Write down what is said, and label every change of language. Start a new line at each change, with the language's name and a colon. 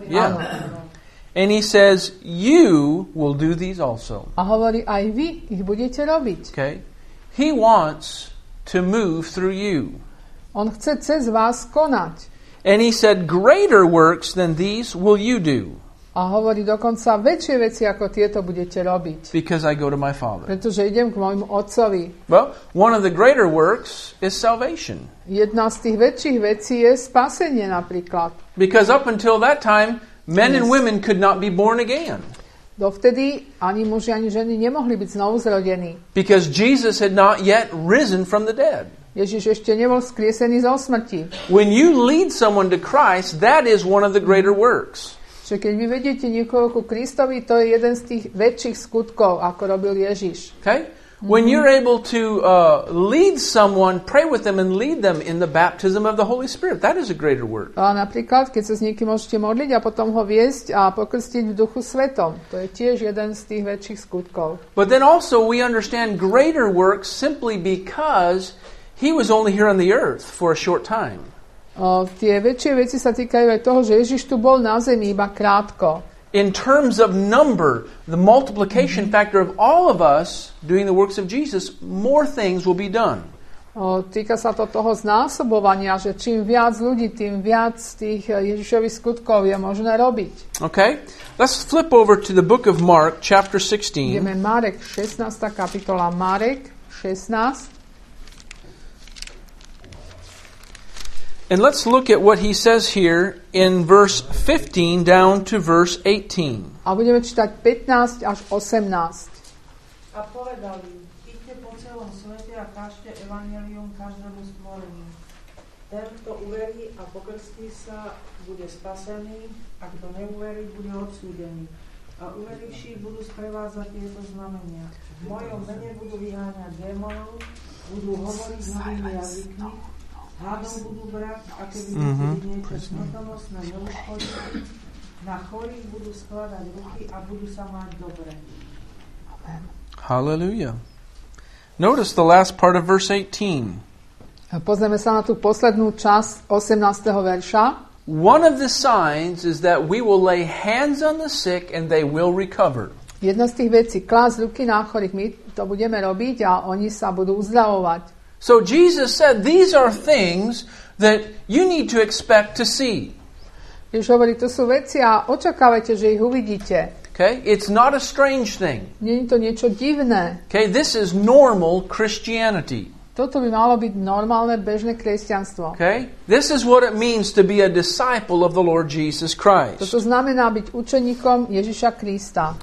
English: Yeah. And he says, you will do these also.
Slovak: A hovorí, aj vy ich budete robiť.
English: Okay. He wants to move through you.
Slovak: On chce cez vás konať.
English: And he said, greater works than these will you do.
Slovak: A hovorí dokonca väčšie veci, ako tieto budete robiť.
English: Because I go to my father.
Slovak: Pretože idem k môjmu otcovi.
English: Well, one of the greater works is salvation.
Slovak: Jedna z tých väčších vecí je spasenie napríklad.
English: Because up until that time, men and women could not be born again.
Slovak: Dovtedy ani muži, ani ženy nemohli byť znovu zrodení.
English: Because Jesus had not yet risen from the dead.
Slovak: Ježiš ešte nebol skriesený zo smrti.
English: When you lead someone to Christ, that is one of the greater works.
Slovak: Čiže keď vy vedete niekoho ku Kristovi, to je jeden z tých väčších skutkov, ako robil Ježiš.
English: Okay? When you're able to lead someone, pray with them and lead them in the baptism of the Holy Spirit, that is a greater work.
Slovak: A napríklad, keď sa s niekým môžete modliť a potom ho viesť a pokrstiť v Duchu Svetom, to je tiež jeden z tých väčších skutkov.
English: But then also we understand greater works simply because he was only here on the earth for a short time.
Slovak: Tie väčšie veci sa týkajú aj toho, že Ježiš tu bol na zemi iba krátko.
English: In terms of number, the multiplication factor of all of us doing the works of Jesus, more things will be done.
Slovak: Týka sa to toho znásobovania, že čím viac ľudí, tým viac tých Ježišových skutkov je možné robiť.
English: Okay. Let's flip over to the book of Mark, chapter 16.
Slovak: Ideme Marek 16. kapitola Marek 16.
English: And let's look at what he says here in verse 15 down to verse 18.
Slovak: A budeme čítať 15 až 18. A povedal im, idte po celom svete a a kážte evanjelium každému stvoreniu. Ten, kto uverí a pokrstí sa, bude spasený, a kto neuverí, bude odsúdený. A uveriši budú sprevádzať tieto znamenia. V mojom mene budú vyháňať démonov, budú hovoriť s novými jazykmi, hádom budú brať, a keby niečo smrtonosné neuškodí, na chorých budú skladať ruky a budú sa mať dobre.
English: Hallelujah. Notice the last part of verse 18.
Slovak: Pozrieme sa na tú poslednú časť 18. verša.
English: One of the signs is that we will lay hands on the sick and they will recover.
Slovak: Jedna z tých vecí, klásť ruky na chorých, my to budeme robiť a oni sa budú uzdravovať.
English: So Jesus said these are things that you need to expect to see.
Slovak: Ježiš hovorí, to sú veci a očakávajte, že ich uvidíte.
English: Okay, it's not a strange thing.
Slovak: Nie je to niečo divné.
English: Okay, this is normal Christianity.
Slovak: Toto by malo byť normálne bežné kresťanstvo.
English: Okay, this is what it means to be a disciple of the Lord Jesus Christ.
Slovak: Toto znamená byť učeníkom Ježiša Krista.